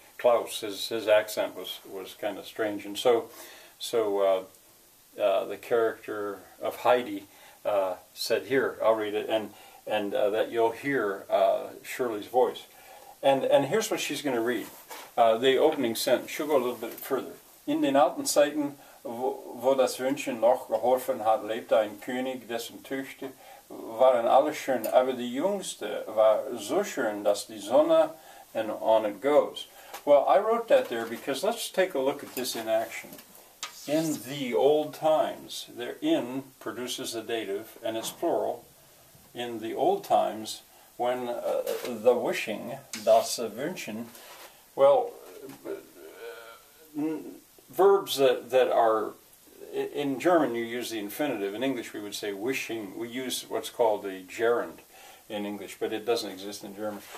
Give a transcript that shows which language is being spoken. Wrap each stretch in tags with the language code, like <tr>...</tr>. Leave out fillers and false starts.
<en>Klaus, his accent was kind of strange. And so the character of Heidi said, here, I'll read it, and that you'll hear Shirley's voice. And here's what she's going to read, the opening sentence. She'll go a little bit further.</en> <de>In den alten Zeiten, wo das Wünschen noch geholfen hat, lebte ein König, dessen Töchter waren alle schön, aber die jüngste war so schön, dass die Sonne,</de> <en>and on it goes. Well, I wrote that there because let's take a look at this in action. In the old times, there in produces a dative, and it's plural. In the old times, when the wishing, das Wünschen, well, verbs that are, in German you use the infinitive, in English we would say wishing, we use what's called a gerund in English, but it doesn't exist in German.</en>